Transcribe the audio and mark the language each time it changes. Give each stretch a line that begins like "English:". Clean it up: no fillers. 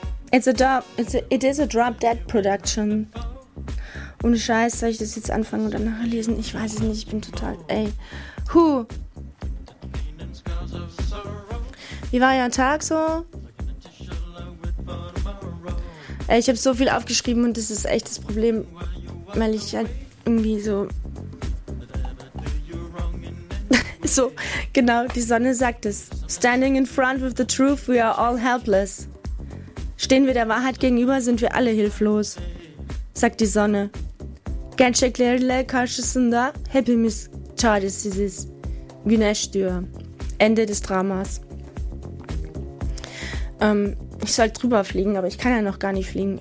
English: It is a Drop Dead Production.
German: Ohne Scheiß, soll ich das jetzt anfangen oder nachher lesen? Ich weiß es nicht, ich bin total, ey. Huh. Wie war euer Tag so? Ich habe so viel aufgeschrieben und das ist echt das Problem, weil ich halt irgendwie so... So, genau, die Sonne sagt es.
English: Standing in front of the truth, we are all helpless.
German: Stehen wir der Wahrheit gegenüber, sind wir alle hilflos, sagt die Sonne. Ganske klare, kaschesende, happy miss charges, this is Güneştür. Ende des Dramas. Ich soll drüber fliegen, aber ich kann ja noch gar nicht fliegen.